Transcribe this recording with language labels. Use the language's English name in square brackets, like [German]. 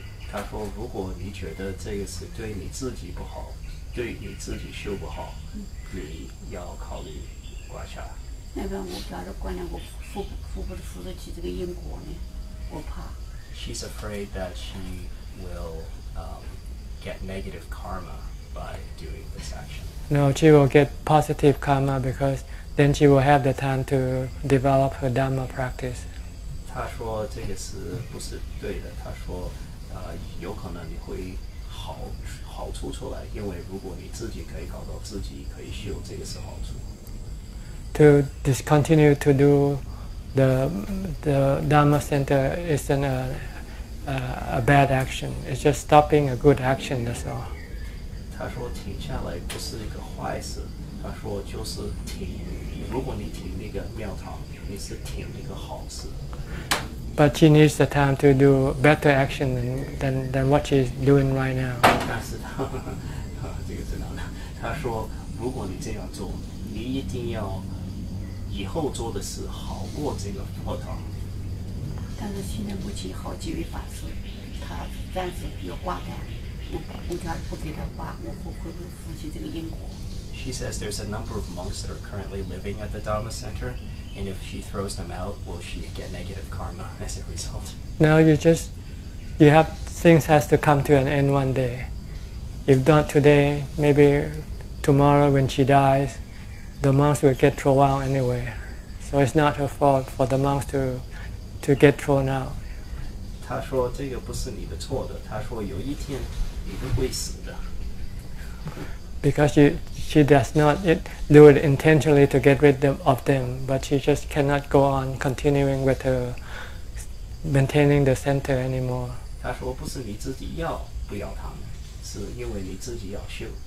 [Chinese] 他说：“如果你觉得这个是对你自己不好，对你自己修不好，你要考虑关下。” 那边我觉得关了，我付得起这个因果呢，我怕。 [English] She's afraid that she will get negative karma by doing this action. No, she will get positive karma because then she will have the time to develop her Dhamma practice. [Chinese] 他说这个是不是对的？他说。有可能你会好处出来，因为如果你自己可以搞到自己可以修，这个是好处。 [English] To discontinue to do the Dhamma Center isn't a bad action. It's just stopping a good action. That's all. [Chinese] 他说停下来不是一个坏事。他说就是停，如果你停那个庙堂，你是停一个好事。 [English] But she needs the time to do better action than what she's doing right now. [Chinese] 但是他这个真的，他说如果你这样做，你一定要以后做的事好过这个佛堂。但是现在目前好几位法师，他暂时有挂单，我家不给他挂，我会不会负起这个因果？ [English] She says there's a number of monks that are currently living at the Dhamma Center. And if she throws them out, will she get negative karma as a result? No, things has to come to an end one day. If not today, maybe tomorrow when she dies, the monks will get thrown out anyway. So it's not her fault for the monks to get thrown out. [Chinese] 他说这个不是你的错的，他说有一天你都会死的。 [English] Because she does not do it intentionally to get rid of them, but she just cannot go on continuing with her maintaining the center anymore. [Chinese] 他说不是你自己要不要他们，是因为你自己要修。